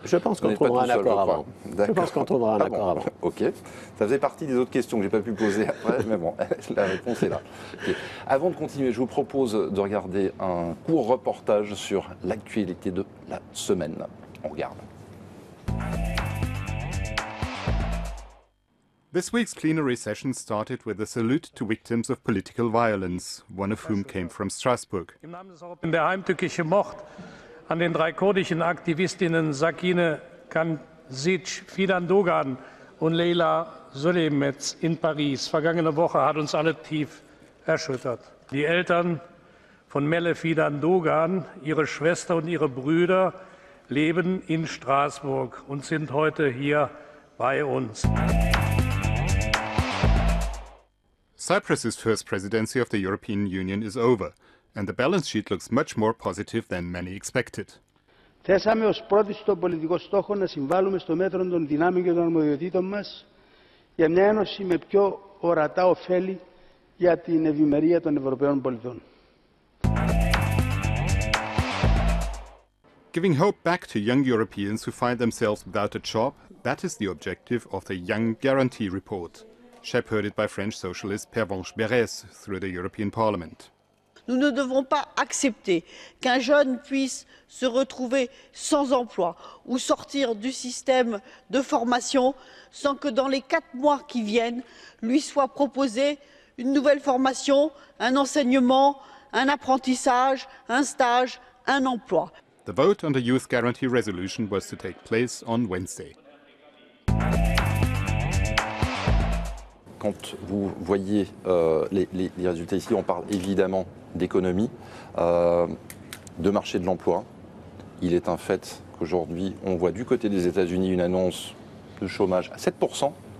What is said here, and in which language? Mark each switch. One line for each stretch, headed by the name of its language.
French: Je pense qu'on trouvera un accord avant. D'accord. Je pense qu'on trouvera un accord avant. Ok. Ça faisait partie des autres questions que je n'ai pas pu poser après, mais bon, la réponse est là. Okay. Avant de continuer, je vous propose de regarder un court reportage sur l'actualité de la semaine. On regarde.
English: This week's plenary session started with a salute to victims of political violence, one of whom came from Strasbourg.
German: Im Namen des Europäischen der heimtückische Mord an den drei kurdischen Aktivistinnen Sakine Kandzic, Fidan Dogan und Leyla Sulemets in Paris vergangene Woche hat uns alle tief erschüttert. Die Eltern von Melle Fidan Dogan, ihre Schwester und ihre Brüder leben in Straßburg und sind heute hier bei uns.
English: Cyprus's first presidency of the European Union is over, and the balance sheet looks much more positive than many expected.
Greek: Θέσαμε ως πρώτη στον πολιτικό στόχο να συμβάλλουμε στο μέτρο των δυνάμεων και των αρμοδιοτήτων μας για μια ένωση με πιο ορατά ωφέλη για την ευημερία των Ευρωπαίων πολιτών.
English: Giving hope back to young Europeans who find themselves without a job, that is the objective of the Young Guarantee Report. Shepherded by French socialist Pervenche Berès through the European Parliament.
French: Nous ne devons pas accepter qu'un jeune puisse se retrouver sans emploi ou sortir du système de formation sans que dans les quatre mois qui viennent lui soit proposé une nouvelle formation, un enseignement, un apprentissage, un stage, un emploi.
English: The vote on the Youth Guarantee Resolution was to take place on Wednesday.
French: Quand vous voyez les résultats ici, on parle évidemment d'économie, de marché de l'emploi. Il est un fait qu'aujourd'hui, on voit du côté des États-Unis une annonce de chômage à 7%.